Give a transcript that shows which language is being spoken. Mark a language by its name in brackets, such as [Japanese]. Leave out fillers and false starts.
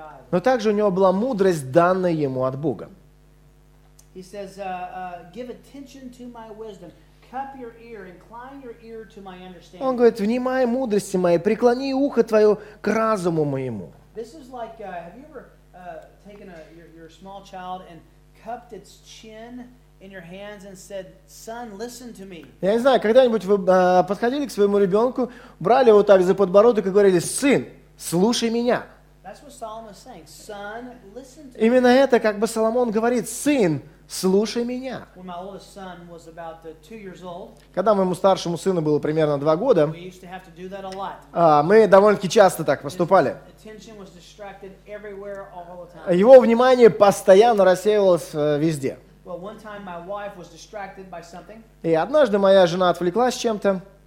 [Russian] Но также у него была мудрость, данная ему от Бога. [English] He says, give attention to my wisdom. Cup your ear, incline your ear to my understanding. [Russian] Он говорит, внимай мудрости моей, преклони ухо твое к разуму моему. [English] This is like, have you ever taken your small child and cupped its chin in your hands and said, son, listen to me? [Russian] Я не знаю, когда-нибудь вы подходили к своему ребенку, брали его так за подбородок и говорили, сын, слушай меня. [English] That's what Solomon is saying. Son, listen to me. [Russian] Именно это как бы Соломон говорит, сын, слушай меня. [English] When my oldest son was about 2 years old, [Russian] когда моему старшему сыну было примерно 2 года, [English] we used to have to do that a lot. [Russian] Мы довольно-таки часто так поступали. [English] His attention was distracted everywhere, all the time. [Russian] Его внимание постоянно рассеивалось везде. [English] Well, one time my wife was distracted by something. [Russian] И однажды моя жена отвлеклась чем-то.